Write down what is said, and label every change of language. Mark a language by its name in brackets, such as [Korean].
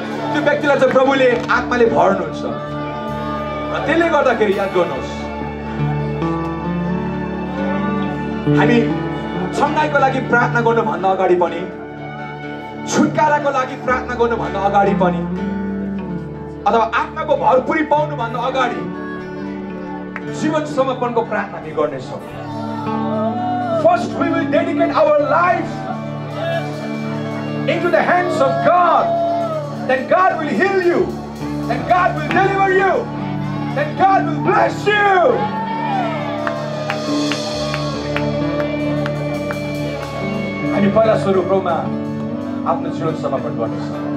[Nepali] त्यो व्यक्तिलाई चाहिँ प्रभुले आत्माले भर्नुहुन्छ. र त्यसले गर्दाखेरि याद गर्नुहोस्, हामी छङ्गाईको लागि प्रार्थना गर्नुभन्दा अगाडि पनि, छुटकाराको लागि प्रार्थना गर्नुभन्दा अगाडि पनि, अथवा आत्माको भरपुरी पाउनुभन्दा अगाडि जीवन समर्पणको प्रार्थना नै गर्नेछौँ. [English] First we will dedicate our life into the hands of God. Then God will heal you. Then God will deliver you. Then God will bless you. [Nepali] अनि पहिला स्वरूपमा आफ्नो जीवन समर्पण गर्नेछ.